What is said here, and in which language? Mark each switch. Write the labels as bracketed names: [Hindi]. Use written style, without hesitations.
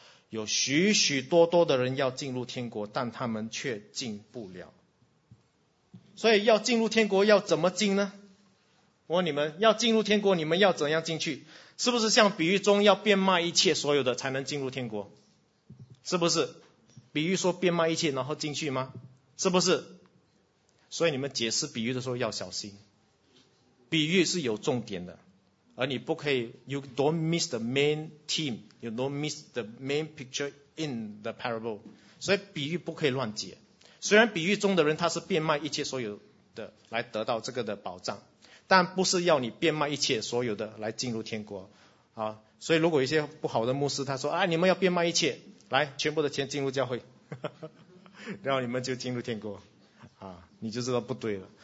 [Chinese] 有许许多多的人要进入天国，但他们却进不了。所以要进入天国要怎么进呢？我问你们，要进入天国你们要怎样进去？是不是像比喻中要变卖一切所有的才能进入天国？是不是比喻说变卖一切然后进去吗？是不是？所以你们解释比喻的时候要小心，比喻是有重点的，而你不可以 [English] you don't miss the main theme, you don't miss the main picture in the parable。 [Chinese] 所以比喻不可以乱解，虽然比喻中的人他是变卖一切所有的来得到这个的保障，但不是要你变卖一切所有的来进入天国啊。所以如果一些不好的牧师他说啊，你们要变卖一切来全部的钱进入教会然后你们就进入天国啊，你就知道不对了。